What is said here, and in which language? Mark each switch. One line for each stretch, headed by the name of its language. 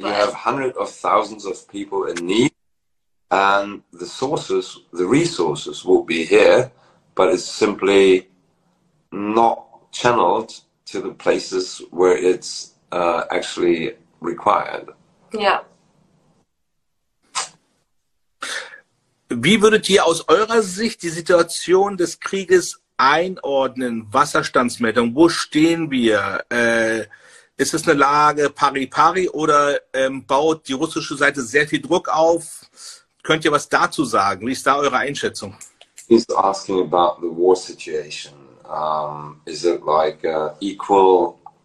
English: You have hundreds of thousands of people in need, and the sources, the resources will be here, but it's simply not channeled to the places where it's actually required. Yeah.
German: Wie würdet ihr aus eurer Sicht die Situation des Krieges einordnen, Wasserstandsmeldung, wo stehen wir? Ist es eine Lage pari-pari oder baut die russische Seite sehr viel Druck auf? Könnt ihr was dazu sagen? Wie ist da eure Einschätzung?
English: He's asking about the war situation. Is it like equal?